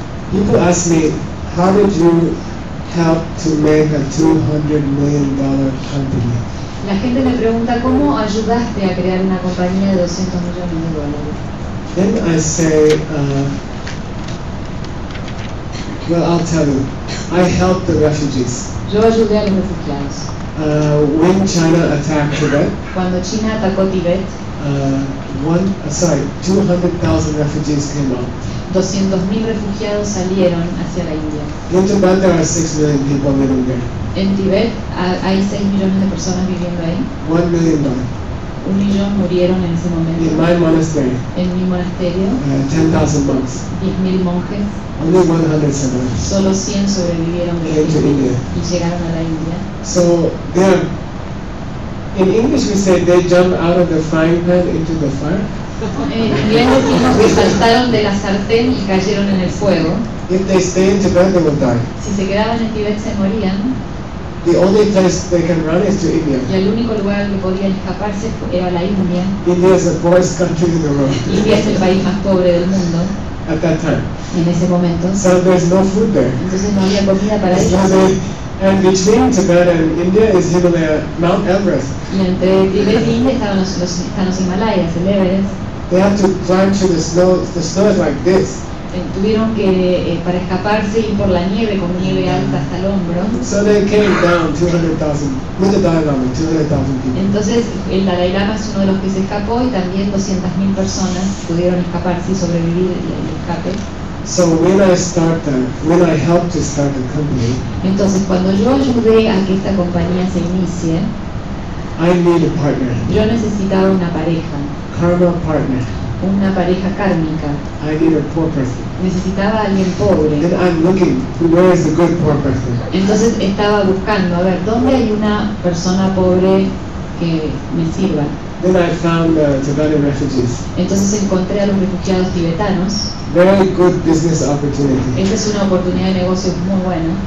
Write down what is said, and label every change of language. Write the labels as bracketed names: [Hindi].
[English] People ask me, how did you help to make a $200 million company? [Spanish] La gente me pregunta, ¿cómo ayudaste a crear una compañía de 200 millones de dólares? [English] Then I say, well, I'll tell you. I helped the refugees. [Spanish] Yo ayudé a los refugiados. [English] When China attacked Tibet. [Spanish] Cuando China atacó Tibet. [English] 200,000 refugees came out. [Spanish] 200,000 refugiados salieron hacia la India. [English] In Tibet, there are 6 million people living there. [Spanish] En Tibet hay 6 millones de personas viviendo ahí. [English] 1 million died. [Spanish] 1 million murieron en ese momento. [English] In my monastery. [Spanish] En mi monasterio. [English] 10,000 monks. [Spanish] 10,000 monjes. [English] Only 100 survived. [Spanish] Solo 100 sobrevivieron de India. Y llegaron a la India. [English] So they are. In English, we say they jump out of the frying pan into the fire. [Spanish] En inglés decimos que saltaron de la sartén y cayeron en el fuego. [English] If they stay in Tibet, they will die. [Spanish] Si se quedaban en Tibet, se morían. [English] The only place they can run is to India. [Spanish] Y el único lugar al que podían escaparse era la India. [English] India is the poorest country in the world. [Spanish] India es el país más pobre del mundo. [English] At that time. [Spanish] En ese momento. [English] So there's no food there. [Spanish] Entonces no había comida para ellos. [English] So and between Tibet and India is Himalaya, Mount Everest. [Spanish] Y entre Tibet y India estaban los Himalayas, el Everest. [English] They have to climb through the snow. The snow is like this. [Spanish] tuvieron que para escaparse ir por la nieve con nieve alta hasta el hombro. [English] So they came down 200,000 people. [Spanish] Entonces el Dalai Lama es uno de los que se escapó y también 200,000 personas pudieron escaparse y sobrevivir el escape. [English] So when I started, when I helped to start the company. [Spanish] Entonces cuando yo ayudé a que esta compañía se inicie, [English] I need a partner. [Spanish] Yo necesitaba una pareja. [English] Karma partner. [Spanish] Una pareja kármica. [English] I need a poor person. [Spanish] Necesitaba a alguien pobre. [English] And I'm looking, where is a good poor person? [Spanish] Entonces estaba buscando, a ver, ¿dónde hay una persona pobre que me sirva? [English] Then I found Tibetan refugees. [Spanish] Entonces encontré a los refugiados tibetanos. [English] Very good business opportunity. [Spanish] Esta es una oportunidad de negocios muy buena.